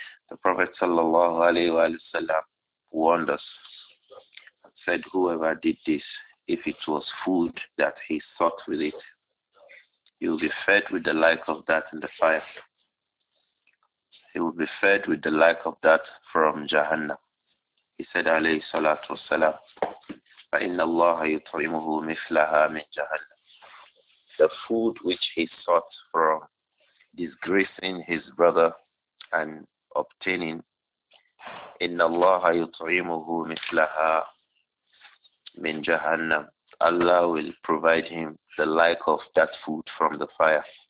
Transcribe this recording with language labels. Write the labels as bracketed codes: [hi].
[en] The Prophet sallallahu alayhi wa sallam warned us and said, whoever did this, if it was food that he sought with it, he will be fed with the like of that in the fire. He will be fed with the like of that from Jahannam. He said, [ar] alayhi salatu wasalam, فَإِنَّ اللَّهَ يُطْعِمُهُ مِثْلَهَا مِنْ جَهَنَّمَ. [en] The food which he sought from disgracing his brother and obtaining, [ar] إِنَّ اللَّهَ يُطْعِمُهُ مِثْلَهَا مِنْ جَهَنَّمَ. [en] Allah will provide him the like of that food from the fire.